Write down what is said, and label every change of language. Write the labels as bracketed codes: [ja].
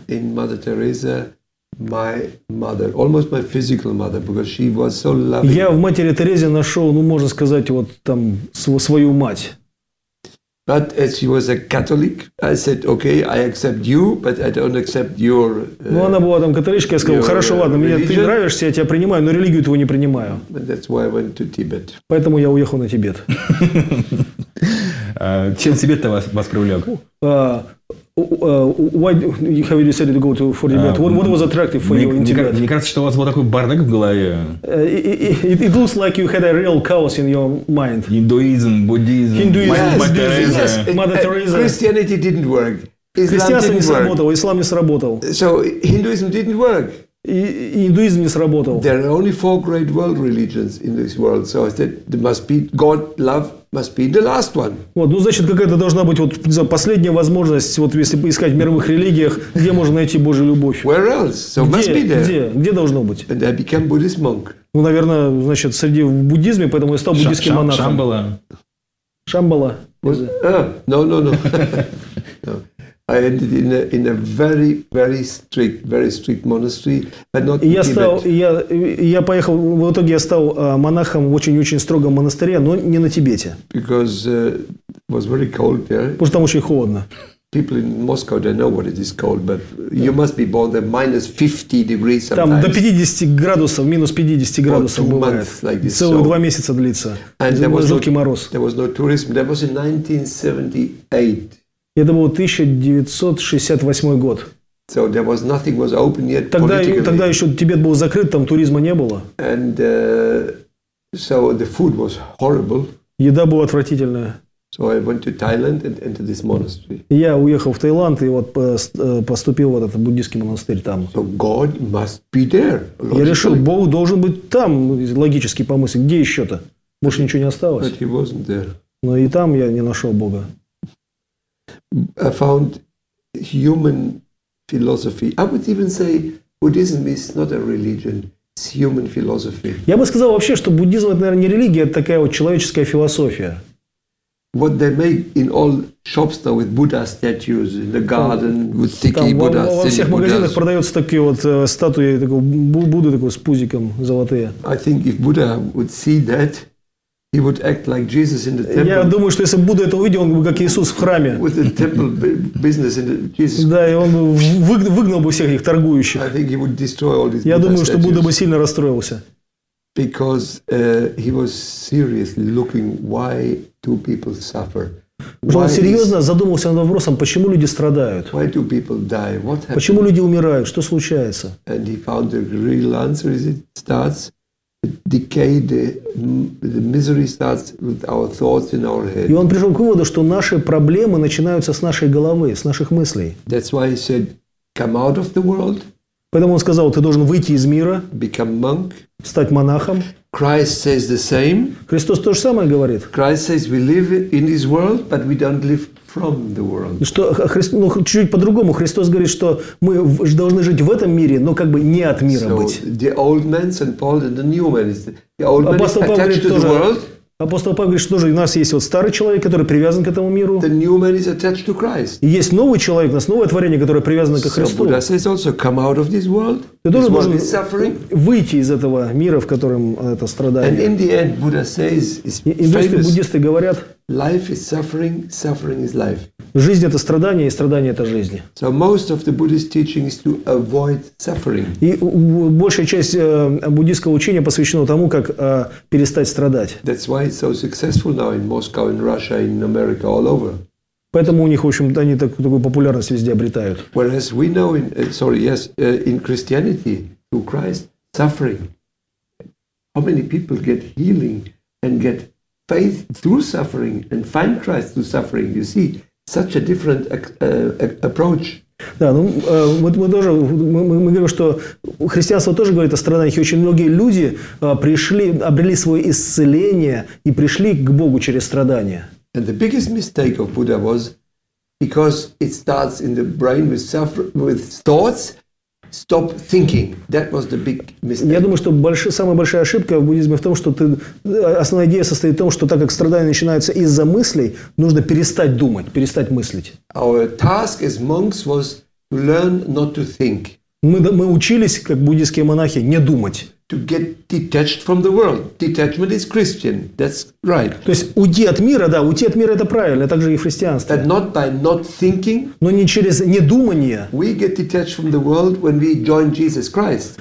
[en] And I found in Mother Teresa my mother, almost my physical mother, because she was so loving. [ru] Я в матери Терезе нашел, ну можно сказать, вот там свою мать. [en] But as she was a Catholic, I said, "Okay, I accept you, but I don't accept your." [ru] Ну, она была там католичкой, я сказал, хорошо, ладно, мне ты нравишься, я тебя принимаю, но религию твою не принимаю. [en] And that's why I went to Tibet. [ru] Поэтому я уехал на Тибет. Чем Тибет-то вас привлек? [en] Why have you decided to go to for Tibet? What was attractive for you in Tibet? [ru] Мне кажется, что у вас был такой бардак в голове. [en] It looks like you had a real chaos in your mind. Hinduism, Buddhism, Mother Teresa. Christianity didn't work. [ru] Христианство не сработало, ислам не сработал. [en] So Hinduism didn't work. [ru] Индуизм не сработал. [en] There are only four great world religions in this world, so I said there must be God, love must be the last one. [ru] Вот, ну значит какая-то должна быть вот последняя возможность, вот если искать в мировых религиях, где можно найти Божью любовь? [en] Where else? So [ru] где, [en] must be there. [ru] Где должно быть? [en] And I became Buddhist monk. [ru] Ну, наверное, значит среди в буддизме, поэтому я стал буддийским монахом. Шамбала. Шамбала. [en] No. I ended in a very, very strict, very strict monastery, but not in Tibet. [ru] Я поехал, в итоге я стал монахом в очень-очень строгом монастыре, но не на Тибете. [en] Because it was very cold there. [ru] Потому что там очень холодно. [en] People in Moscow, they know what it is cold, but you must be born there minus 50 degrees sometimes. [ru] Там до 50 градусов, минус 50 градусов бывает. Целых два месяца длится. [en] And there was [ru] жуткий мороз. [en] There was no tourism. That was in 1978. [ru] Это был 1968 год. [en] So there was nothing was open yet. [ru] Тогда еще Тибет был закрыт, там туризма не было. [en] And so the food was horrible. [ru] Еда была отвратительная. [en] So I went to Thailand and entered this monastery. [ru] Я уехал в Таиланд и вот поступил в этот буддийский монастырь там. [en] So God must be there. [ru] Я решил, Бог должен быть там, логически помыслить. Где еще-то? Больше ничего не осталось. [en] But he wasn't there. [ru] Но и там я не нашел Бога. [en] I found human philosophy. I would even say Buddhism is not a religion. It's human philosophy. [ru] Я бы сказал вообще, что буддизм это, наверное, не религия, это такая вот человеческая философия. [en] What they make in all shops now with Buddha statues in the garden with sticky Buddha. [ru] Во всех магазинах продаются такие вот статуи такого Будды такого с пузиком золотые. [en] I think if Buddha would see that, he would act like Jesus in the temple. [ru] Я думаю, что если Будда это увидел, он бы как Иисус в храме. [en] With the temple business in the Jesus. [ru] Да, и он бы выгнал бы всех их торгующих. [en] I think he would destroy all these Buddha statues. [ru] Я думаю, что Будда бы сильно расстроился. [en] Because he was seriously looking why do people suffer. [ru] Он серьезно задумался над вопросом, почему люди страдают? [en] Why do people die? What happened? [ru] Почему люди умирают? Что случается? [en] And he found the real answer is it starts decay, the misery starts with our thoughts in our head. [ru] И он пришел к выводу, что наши проблемы начинаются с нашей головы, с наших мыслей. [en] That's why he said, come out of the world. [ru] Поэтому он сказал, ты должен выйти из мира, [en] become monk, [ru] стать монахом. [en] Christ says the same. [ru] Христос то же самое говорит. [en] Christ says we live in this world, but we don't live from the world. [ru] Что, ну, чуть-чуть по-другому. Христос говорит, что мы должны жить в этом мире, но как бы не от мира [en] so, [ru] быть. [en] The old man, Saint Paul, and the new man. The old man [ru] апостол Павел говорит тоже. Апостол Павел говорит, что тоже у нас есть вот старый человек, который привязан к этому миру. [en] The new man is attached to Christ. [ru] И есть новый человек, у нас новое творение, которое привязано к Христу. [en] So Buddha says also, come out of this world. [ru] Ты тоже должен выйти из этого мира, в котором это страдание. [en] And in the end, Buddha says, it's famous. [ru] И буддисты говорят, [en] life is suffering, suffering is life. [ru] Жизнь это страдание, и страдание это жизнь. [en] So most of the Buddhist teaching is to avoid suffering. [ru] И большая часть буддийского учения посвящена тому, как перестать страдать. [en] That's why it's so successful now in Moscow, in Russia, in America, all over. [ru] Поэтому у них, в общем-то, они такую популярность везде обретают. [en] Whereas we know in, sorry, yes, in Christianity, through Christ, suffering. How many people get healing and get faith through suffering and find Christ through suffering? You see, such a different approach. [ru] Да, ну мы говорим, что христианство тоже говорит о страданиях. И очень многие люди пришли, обрели свое исцеление и пришли к Богу через страдания. [en] And the biggest mistake of Buddha was because it starts in the brain with thoughts, stop thinking. That was the big mistake. [ru] Я думаю, что самая большая ошибка в буддизме в том, что основная идея состоит в том, что так как страдание начинается из-за мыслей, нужно перестать думать, перестать мыслить. [en] Our task as monks was to learn not to think. [ru] Мы учились, как буддийские монахи, не думать. [en] To get detached from the world. Detachment is Christian. That's right. [ru] То есть уйти от мира, да, уйти от мира это правильно, также и христианство. [en] That not by not thinking. [ru] Но не через недумание. [en] We get detached from the world when we join Jesus Christ.